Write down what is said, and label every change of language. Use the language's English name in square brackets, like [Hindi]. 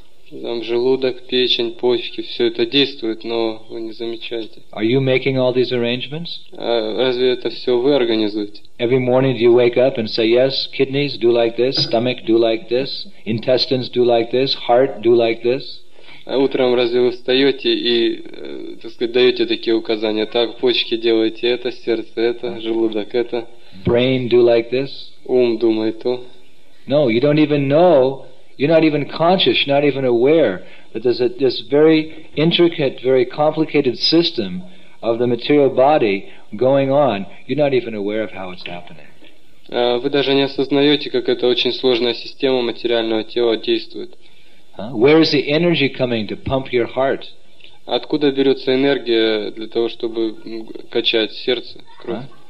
[Russian] Там желудок, печень, почки, все это действует, но вы не замечаете. [English] Are you making all these arrangements? [Russian] Разве это все вы организуете? [English] Every morning do you wake up and say, yes, kidneys do like this, stomach do like this, intestines do like this, heart do like this? [Russian] Утром разве вы встаете и, так сказать, даете такие указания? Так, почки делайте это, сердце это, желудок это. [English] Brain do like this? [Russian] Ум думает то. [English] No, you don't even know. You're not even conscious, you're not even aware that there's this very intricate, very complicated system of the material body going on. You're not even aware of how it's happening. [Russian] Вы даже не осознаете, как эта очень сложная система материального тела действует. [English] Where is the energy coming to pump your heart? [Russian] Откуда берется энергия для того, чтобы качать сердце, кровь?